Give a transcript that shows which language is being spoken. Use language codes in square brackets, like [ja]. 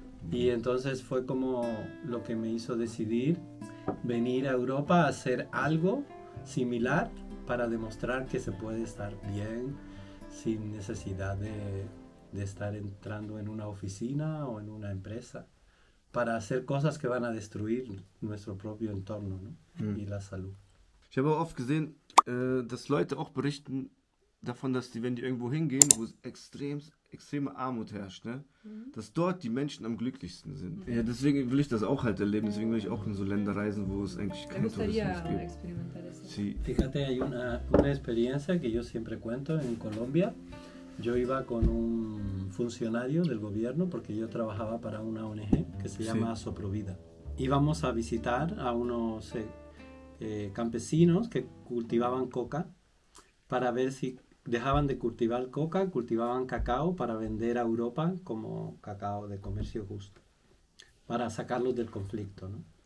[es] Y entonces fue como lo que me hizo decidir venir a Europa a hacer algo similar para demostrar que se puede estar bien sin necesidad de estar entrando en una oficina o en una empresa, para hacer cosas que van a destruir nuestro propio entorno, ¿no? Y la salud. [de] Ich habe auch oft gesehen, dass Leute auch berichten davon, dass die, wenn die irgendwo hingehen, wo extreme Armut herrscht, ne? Dass dort die Menschen am glücklichsten sind. Ja, deswegen will ich das auch halt erleben, deswegen will ich auch in so Länder reisen, wo es eigentlich keinen Tourismus gibt. [es] Sí. Fíjate, hay una experiencia que yo siempre cuento en Colombia. Yo iba con un funcionario del gobierno, porque yo trabajaba para una ONG que se llama Soprovida. Íbamos a visitar a unos campesinos que cultivaban coca, para ver si dejaban de cultivar coca, cultivaban cacao para vender a Europa como cacao de comercio justo, para sacarlos del conflicto, ¿no?